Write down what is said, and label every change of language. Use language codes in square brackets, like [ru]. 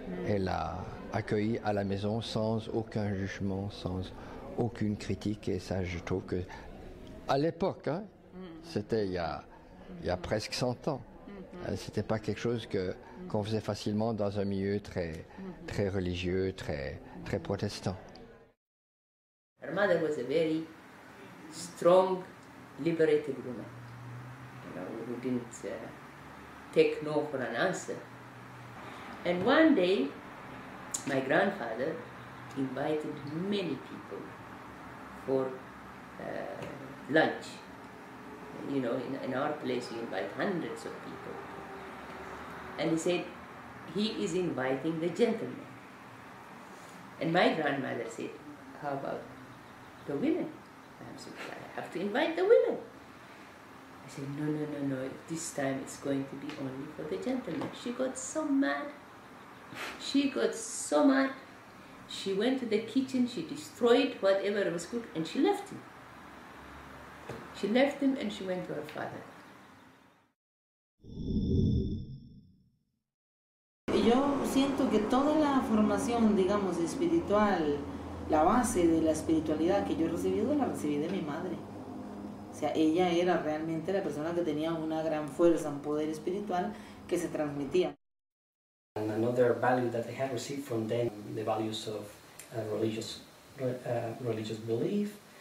[fr] Elle a accueilli à la maison sans aucun jugement, sans aucune critique. Et ça, je trouve que, à l'époque, hein, c'était il y a presque 100 ans. C'était pas quelque chose qu'on faisait facilement dans un milieu très, très religieux, très, très protestant. [en] Her mother was a very strong, liberated woman. You know, who didn't take no for an answer. And one day, my grandfather invited many people for lunch. You know, in our place, you invite hundreds of people. And he said, he is inviting the gentlemen. And my grandmother said, how about the women? I'm saying, I have to invite the women. I said, no, this time it's going to be only for the gentlemen. She got so mad. She went to the kitchen, she destroyed whatever was cooked, and she left him. She left him and she went to her father. [es] Yo siento que toda la formación, digamos, espiritual, la base de la espiritualidad que yo he recibido, la recibí de mi madre. O sea, ella era realmente la persona que tenía una gran fuerza, un poder espiritual que se transmitía. [en] And another value that I had received from them, the values of religious belief.